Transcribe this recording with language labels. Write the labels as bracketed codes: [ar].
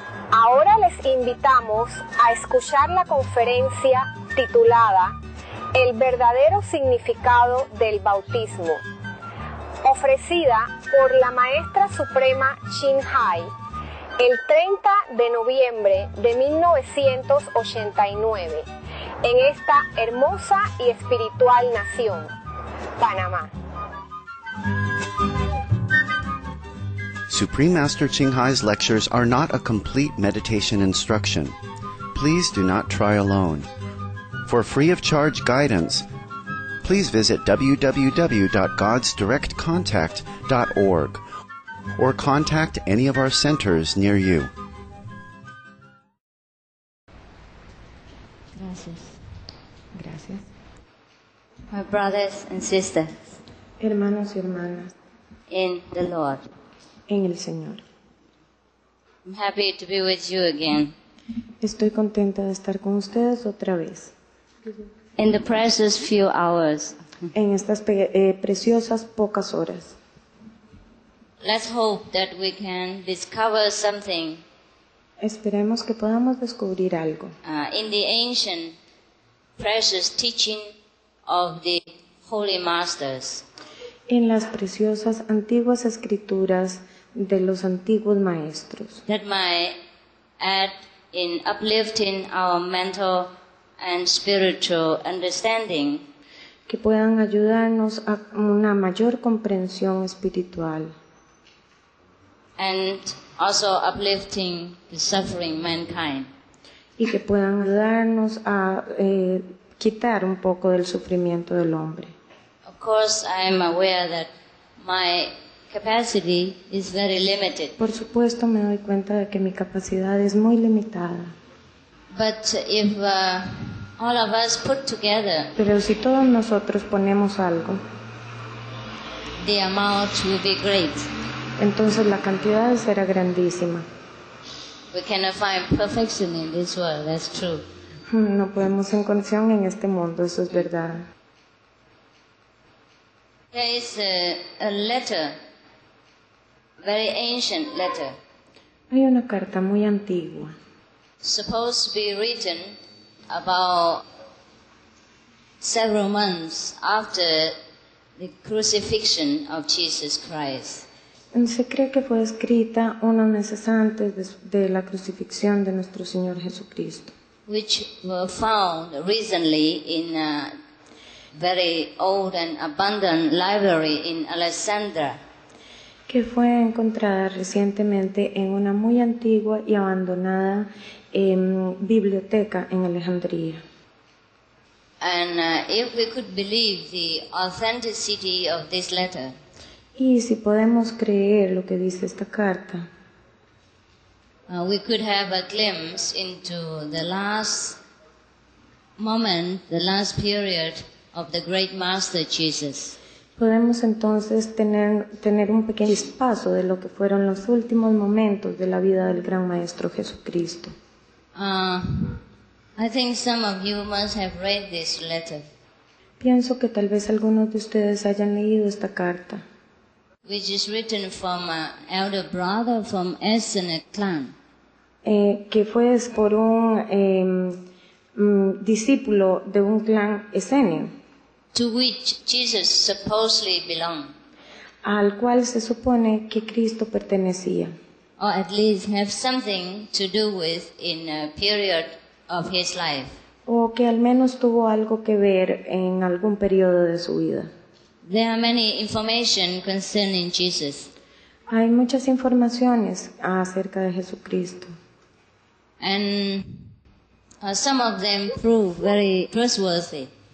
[es] Ahora les invitamos a escuchar la conferencia titulada El verdadero significado del bautismo, ofrecida por la Maestra Suprema Chin Hai el 30 de noviembre de 1989 en esta hermosa y espiritual nación, Panamá. [en] Supreme Master Chin Hai's lectures are not a complete meditation instruction. Please do not try alone. For free of charge guidance, please visit www.godsdirectcontact.org or contact any of our centers near you. [es] Gracias. Gracias. [en] My brothers and sisters. [es] Hermanos y hermanas. [en] In the Lord. [es] En el Señor. [en] I'm happy to be with you again. [es] Estoy contenta de estar con ustedes otra vez. [en] In the precious few hours. [es] En estas preciosas pocas horas. [en] Let's hope that we can discover something. [es] Esperemos que podamos descubrir algo. [en] In the ancient precious teaching of the holy masters. [es] En las preciosas antiguas escrituras de los antiguos maestros. [en] That might add in uplifting our mental and spiritual understanding. [es] Que puedan ayudarnos a una mayor comprensión espiritual. [en] And also uplifting the suffering mankind. [es] Y que puedan ayudarnos a quitar un poco del sufrimiento del hombre. [en] Of course, I am aware that my capacity is very limited. [es] Por supuesto, me doy cuenta de que mi capacidad es muy limitada. [en] But if all of us put together, [es] pero si todos nosotros ponemos algo, [en] the amount will be great. [es] Entonces la cantidad será grandísima. [en] We cannot find perfection in this world. That's true. [es] No podemos encontrar en este mundo. Eso es verdad. [en] There is a letter. Very ancient letter. [es] Hay una carta muy antigua. [en] Supposed to be written about several months after the crucifixion of Jesus Christ. [es] Se cree que fue escrita unos meses antes de la crucifixión de nuestro Señor Jesucristo. [en] Which were found recently in a very old and abundant library in Alexandria. [es] Que fue encontrada recientemente en una muy antigua y abandonada biblioteca en Alejandría. [en] And if we could believe the authenticity of this letter. [es] Y si podemos creer lo que dice esta carta. [en] We could have a glimpse into the last moment, the last period of the great master Jesus. [es] Podemos entonces tener un pequeño espacio de lo que fueron los últimos momentos de la vida del gran maestro Jesucristo. [en] I think some of you must have read this letter. [es] Pienso que tal vez algunos de ustedes hayan leído esta carta. [en] Which is written from an elder brother from Essene clan. [es] Que fue por un discípulo de un clan Essene. [en] To which Jesus supposedly belonged. [es] Al cual se supone que Cristo pertenecía. [en] Or at least have something to do with in a period of his life. [es] O que al menos tuvo algo que ver en algún periodo de su vida. [en] There are many information concerning Jesus. [es] Hay muchas informaciones acerca de Jesucristo. [en] And some of them prove very trustworthy.